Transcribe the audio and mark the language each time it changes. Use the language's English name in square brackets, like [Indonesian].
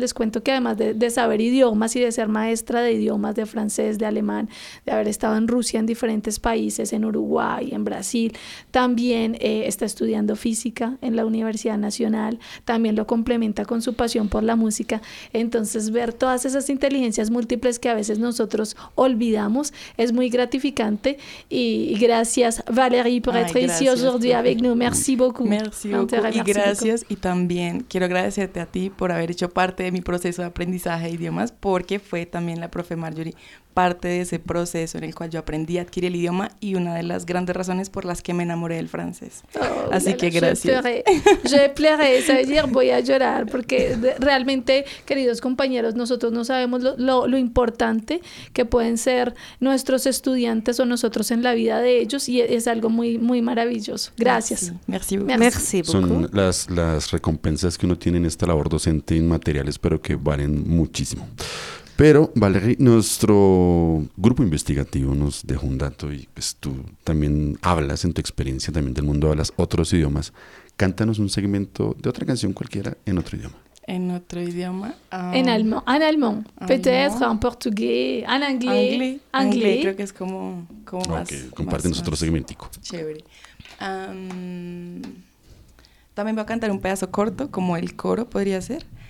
[Spanish] Les cuento que además de saber idiomas y de ser maestra de idiomas, de francés, de alemán, de haber estado en Rusia, en diferentes países, en Uruguay, en Brasil, también está estudiando física en la Universidad Nacional, también lo complementa con su pasión por la música. Entonces ver todas esas inteligencias múltiples que a veces nosotros olvidamos es muy gratificante, y gracias gracias, Valérie, por estar [French] ici aujourd'hui avec nous. Merci beaucoup. Merci beaucoup. [Spanish] Y gracias. Y también quiero agradecerte a ti por haber hecho parte de mi proceso de aprendizaje de idiomas, porque fue también la profe Marjorie parte de ese proceso en el cual yo aprendí a adquirir el idioma y una de las grandes razones por las que me enamoré del francés. Oh, así que gracias. [French] Je pleuré, [Spanish] es decir, voy a llorar, porque realmente, queridos compañeros, nosotros no sabemos lo importante que pueden ser nuestros estudiantes o nosotros en la vida de ellos, y es algo muy, muy maravilloso. Gracias. [French] Merci. Merci. Merci beaucoup. [Spanish] Son las recompensas que uno tiene en esta labor docente inmateriales, pero que valen muchísimo. Pero, Valérie, nuestro grupo investigativo nos dejó un dato y pues, tú también hablas en tu experiencia también del mundo, hablas otros idiomas. Cántanos un segmento de otra canción cualquiera en otro idioma. ¿En otro idioma? En alemán. En alemán. [French] Peut-être [Spanish] en portugués, [French] en anglais. Anglais. [Spanish] Creo que es como okay, más. Compártenos otro segmentico. Chévere. También voy a cantar un pedazo corto, como el coro podría ser.